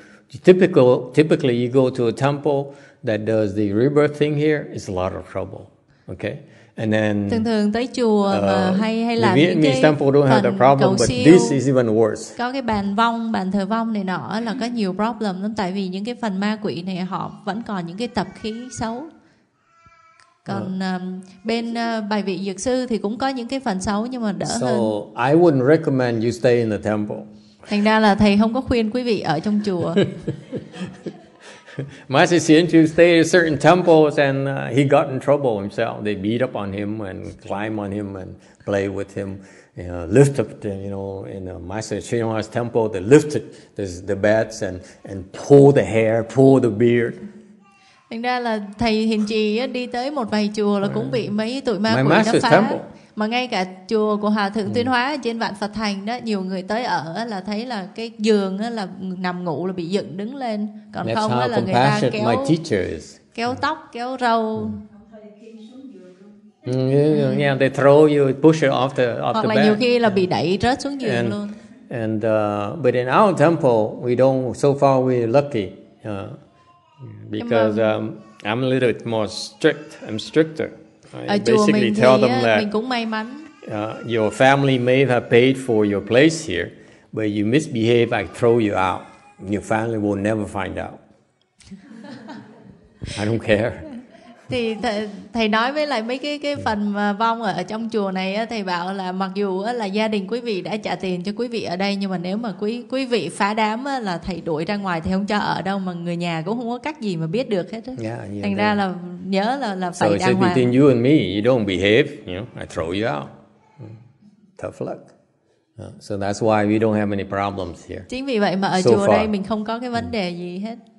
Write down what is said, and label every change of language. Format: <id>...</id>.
<en>Typically, you go to a temple that does the rebirth thing here, it's a lot of trouble. Okay, and then</en> <vi>thường tới chùa mà hay làm</vi> <en>Vietnamese</en> <vi>những cái</vi> <en>temple don't have the problem, but this is even worse.</en> <vi>Có cái bàn vong, bàn thờ vong này nọ là có nhiều problem lắm, tại vì những cái phần ma quỷ này họ vẫn còn những cái tập khí xấu. Còn bài vị dược sư thì cũng có những cái phần xấu nhưng mà đỡ</vi> <en>so</en> <vi>hơn.</vi> <en>So I wouldn't recommend you stay in the temple.</en> <vi>Thành ra là thầy không có khuyên quý vị ở trong chùa.</vi> <en>Master Hsien-chu stayed in certain temples and he got in trouble himself. They beat up on him and climb on him and play with him. Lift up, in Master Hsien-chu's temple, they lifted the beds and pull the hair, pull the beard.</en> <vi>Thành ra là thầy Hiền Trì đi tới một vài chùa là cũng bị mấy tụi ma quỷ đập phá. Temple. Mà ngay cả chùa của Hòa Thượng Tuyên Hóa trên Vạn Phật Thành đó, nhiều người tới ở là thấy là cái giường là nằm ngủ là bị dựng đứng lên. Còn</vi> <en>that's</en> <vi>không là người ta kéo tóc, kéo râu.</vi> <en>They throw you, push you off the bed.</en> <vi>Hoặc là nhiều khi là bị đẩy rớt xuống giường luôn.</vi> <en>And but in our temple, we're lucky. Because I'm a little bit more strict, I'm stricter. I basically tell them that</en> <vi>mình cũng may mắn.</vi> <en>Your family may have paid for your place here, but you misbehave, I throw you out. Your family will never find out. I don't care.</en> <vi>Thì thầy nói với lại mấy cái phần vong ở trong chùa này á, thầy bảo là mặc dù á, là gia đình quý vị đã trả tiền cho quý vị ở đây, nhưng mà nếu mà quý vị phá đám á, là thầy đuổi ra ngoài, thầy không cho ở đâu, mà người nhà cũng không có cách gì mà biết được hết á. Thành ra là nhớ là phải đàng hoàng.</vi> <en>So it's between you and me, you don't behave, you know, I throw you out. Tough luck. So that's why we don't have any problems here.</en> <vi>Chính vì vậy mà ở chùa đây mình không có cái vấn đề gì hết.</vi>